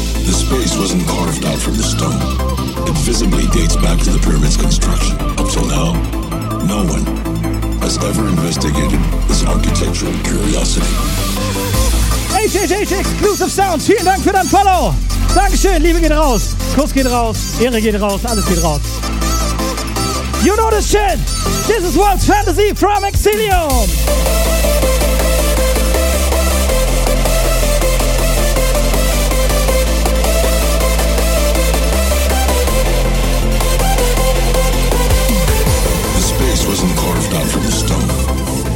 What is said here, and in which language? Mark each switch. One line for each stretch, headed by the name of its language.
English: The space wasn't carved out from the stone. It visibly dates back to the pyramid's construction. Up till now, no one has ever investigated this architectural curiosity.
German: HHH Exclusive Sounds, vielen Dank für dein Follow. Dankeschön, Liebe geht raus. Kuss geht raus, Ehre geht raus, alles geht raus.
English: You know this shit. This is World's Fantasy from Exilium. The space wasn't carved out from the stone.